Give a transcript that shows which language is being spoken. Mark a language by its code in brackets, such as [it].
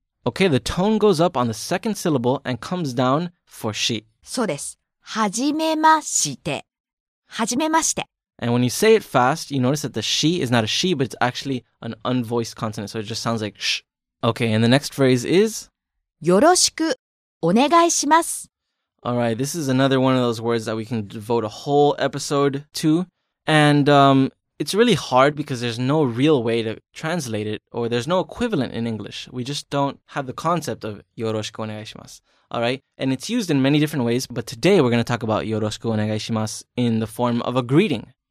[en] Okay, the tone goes up on the second syllable and comes down for し. [ja] そうです。初めまして.はじめまして. [en] And when you say it fast, you notice that the she is not a she, but it's actually an unvoiced consonant. So it just sounds like sh. Okay, and the next phrase is? [ja] よろしくお願いします. [en] All right, this is another one of those words that we can devote a whole episode to. And it's really hard because there's no real way to translate it or there's no equivalent in English. We just don't have the concept of [ja] よろしくお願いします. [en] All right, and it's used in many different ways, but today we're going to talk about よろしくお願いします in the form of a greeting.